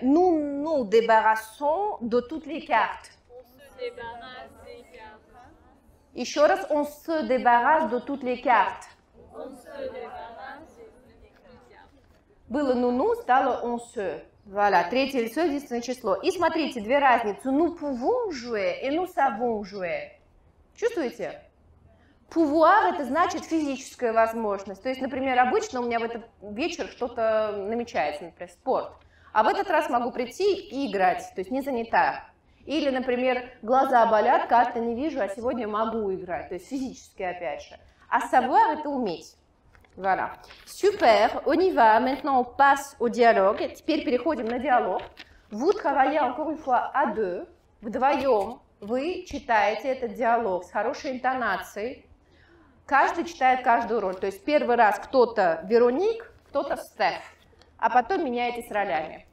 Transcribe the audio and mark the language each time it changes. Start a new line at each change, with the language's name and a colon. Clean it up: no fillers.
French: Nous débarrassons de toutes les cartes.
Russian: Еще раз,
French: on se débarrasse de toutes les cartes. On se débarrasse de toutes les cartes.
Russian: Было ну-ну, стало on se. Voilà, третье лицо, единственное число. И смотрите, две разницы.
French: Nous pouvons jouer et nous savons jouer.
Russian: Чувствуете? Pouvoir – это значит физическая возможность. То есть, например, обычно у меня в этот вечер что-то намечается, например, спорт. А в этот раз могу прийти и играть, то есть не занята. Или, например, глаза болят, карты не вижу, а сегодня могу играть. То есть физически, опять же. А savoir – это уметь.
French: Voilà. Super. On y va. Maintenant, on passe au dialogue.
Russian: Теперь переходим на диалог.
French: Vous travaillez encore une fois à deux.
Russian: Вдвоем вы читаете этот диалог с хорошей интонацией. каждый читает каждую роль. То есть первый раз кто-то Вероник, кто-то Стеф, а потом меняетесь ролями.